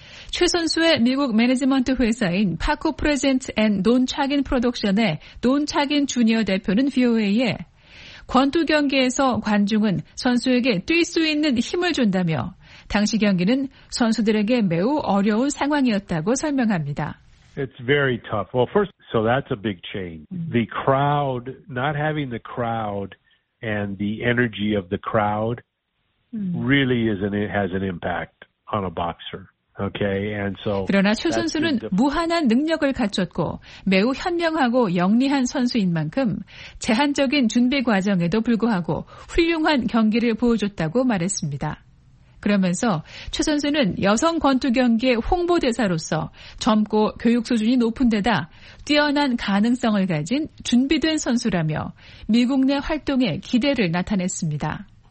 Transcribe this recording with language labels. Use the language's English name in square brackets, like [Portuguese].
[Korean] 최 선수의 미국 매니지먼트 회사인 파코 프레젠트 앤 논 차긴 프로덕션의 논 차긴 주니어 대표는 VOA에 권투 경기에서 관중은 선수에게 뛸 수 있는 힘을 준다며 당시 경기는 선수들에게 매우 어려운 상황이었다고 설명합니다. [English] It's very tough. Well, first, so that's a big change. The crowd, not having the crowd and the energy of the crowd really is an, it has an impact on a boxer. Okay, and so. [Korean] 그러나 최 선수는 무한한 능력을 갖췄고 매우 현명하고 영리한 선수인 만큼 제한적인 준비 과정에도 불구하고 훌륭한 경기를 보여줬다고 말했습니다. 그러면서 최 선수는 여성 권투 경기의 홍보대사로서 젊고 교육 수준이 높은 데다 뛰어난 가능성을 가진 준비된 선수라며 미국 내 활동에 기대를 나타냈습니다.